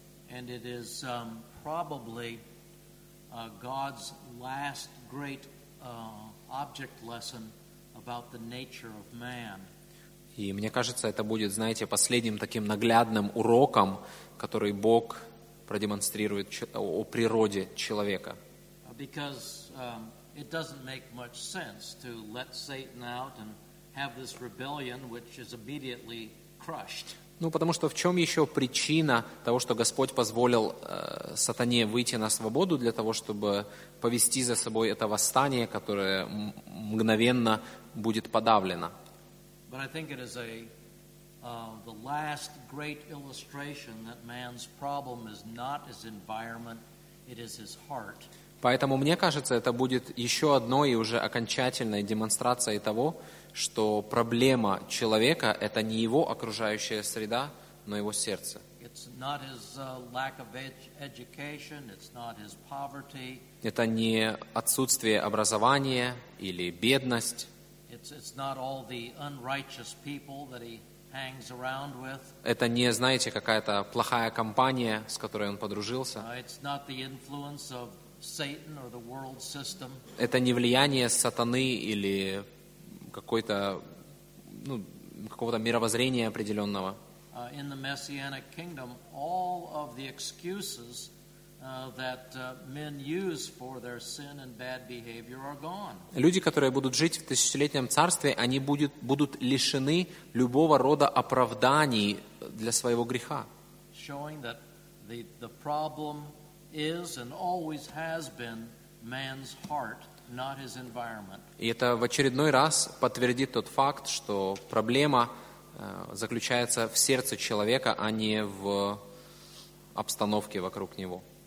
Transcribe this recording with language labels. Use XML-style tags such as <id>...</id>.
<en>And it is probably God's last great object lesson about the nature of man.</en> <ru>И мне кажется, это будет, знаете, последним таким наглядным уроком, который Бог продемонстрирует о природе человека.</ru> <en>Because it doesn't make much sense to let Satan out and have this rebellion, which is immediately crushed.</en> <ru>Ну, потому что в чем еще причина того, что Господь позволил сатане выйти на свободу для того, чтобы повести за собой это восстание, которое мгновенно будет подавлено?</ru> <en>But I think it is the last great illustration that man's problem is not his environment, it is his heart.</en> <ru>Поэтому мне кажется, это будет еще одной и уже окончательной демонстрацией того, что проблема человека – это не его окружающая среда, но его сердце.</ru> <en>It's not his lack of education, it's not his poverty.</en> <ru>Это не отсутствие образования или бедность.</ru> <en>It's not all the unrighteous people that he hangs around with.</en> <ru>Это не, знаете, какая-то плохая компания, с которой он подружился.</ru> <en>It's not the influence of Satan or the world system.</en> <ru>Это не влияние сатаны или какой-то, ну, какого-то мировоззрения определенного.</ru> <en>In the Messianic kingdom, all of the excuses that men use for their sin and bad behavior are gone.</en> <ru>Люди, которые будут жить в тысячелетнем царстве, они будут лишены любого рода оправданий для своего греха.</ru> <en>Showing that the problem is and always has been man's heart, not his environment.</en> <ru>И это в очередной раз подтвердит тот факт, что проблема заключается в сердце человека, а не в обстановке вокруг него.</ru>